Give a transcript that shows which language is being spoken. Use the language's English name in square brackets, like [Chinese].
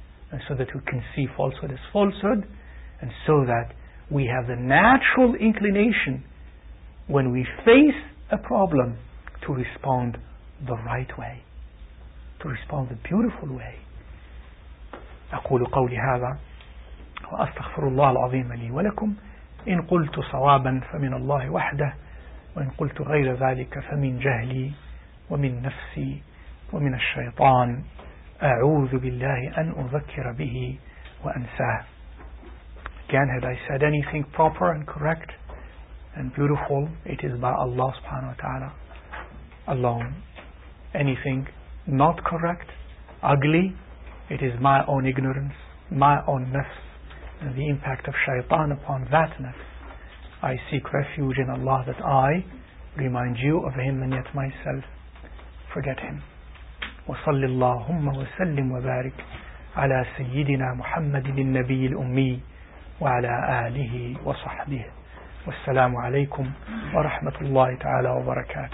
[English] and so that we can see falsehood as falsehood, and so that we have the natural inclination, when we face a problem, to respond the right way, to respond the beautiful way. [Arabic] أقول قولي هذا وأستغفر الله العظيم لي ولكم إن قلت صوابا فمن الله وحده وإن قلت غير ذلك فمن جهلي ومن نفسي ومن الشيطان أعوذ بالله أن أذكر به وأنساه. [English] Again, had I said anything proper and correct and beautiful, it is by Allah subhanahu wa ta'ala alone. Anything not correct, ugly, it is my own ignorance, my own nafs, and the impact of shaitan upon that nafs. I seek refuge in Allah that I remind you of Him and yet myself forget Him. [Arabic] وصلي اللهم وسلم وبارك على سيدنا محمد النبي الأمي وعلى آله وصحبه والسلام عليكم ورحمة الله تعالى وبركاته.